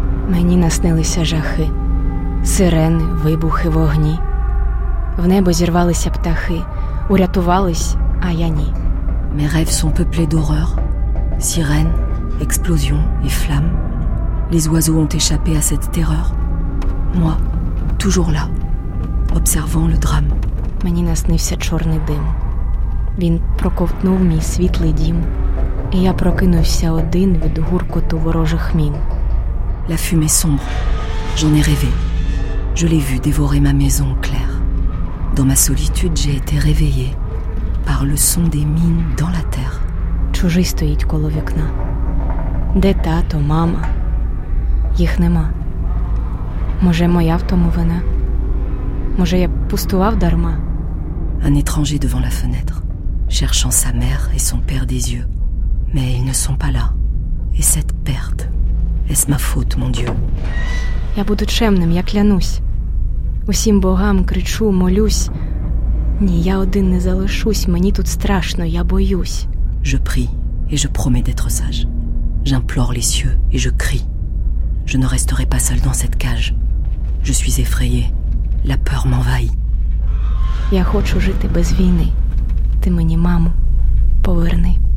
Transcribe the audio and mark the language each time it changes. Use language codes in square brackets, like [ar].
[uk] Мені наснилися жахи, сирени, вибухи, вогні. В небо зірвалися птахи, урятувались, а я ні. [fr] Mes rêves sont peuplés d'horreur, sirènes, explosions et flammes. Les oiseaux ont échappé à cette terreur. Moi, toujours là, observant le drame. [uk] Мені наснився чорний дим. Він проковтнув мій світлий дім, і я прокинувся один від гуркоту ворожих мін. [fr] La fumée sombre, j'en ai rêvé. Je l'ai vu dévorer ma maison claire. Dans ma solitude, j'ai été réveillé par le son des mines dans la terre. [uk] Чужий стоїть коло вікна. Де тато, мама? Їх нема. Може, моя в тому вина? Може, я пустував дарма? [fr] Un étranger devant la fenêtre, cherchant sa mère et son père des yeux. Mais ils ne sont pas là. Et cette perte... Est-ce ma faute, mon Dieu? [uk] Я буду чемним, я клянусь. Усім богам кричу, молюсь. Ні, я один не залишусь, мені тут страшно, я боюсь. [fr] Je prie et je promets d'être sage. J'implore les cieux et je crie. Je ne resterai pas seul dans cette cage. Je suis effrayé, la peur m'envahit. [uk] Я хочу жити без війни. Ти мені, маму, поверни.